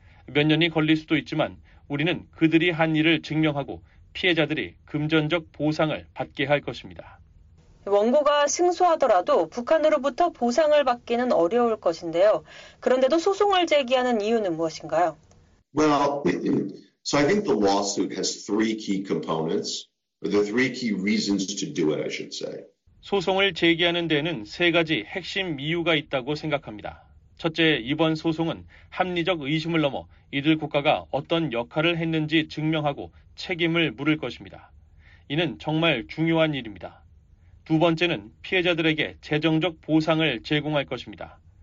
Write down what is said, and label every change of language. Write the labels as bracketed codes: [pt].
[ko] 몇 년이 걸릴 수도 있지만 우리는 그들이 한 일을 증명하고 피해자들이 금전적 보상을 받게 할 것입니다. 원고가 승소하더라도 북한으로부터 보상을 받기는 어려울 것인데요. 그런데도 소송을 제기하는 이유는 무엇인가요? [en] Well, so I think the lawsuit has three key components, or the three key reasons to do it, I should say. [ko] 소송을 제기하는 데에는 세 가지 핵심 이유가 있다고 생각합니다. 첫째, 이번 소송은 합리적 의심을 넘어 이들 국가가 어떤 역할을 했는지 증명하고 책임을 물을 것입니다. 이는 정말 중요한 일입니다. 두 번째는 피해자들에게 재정적 보상을 제공할 것입니다.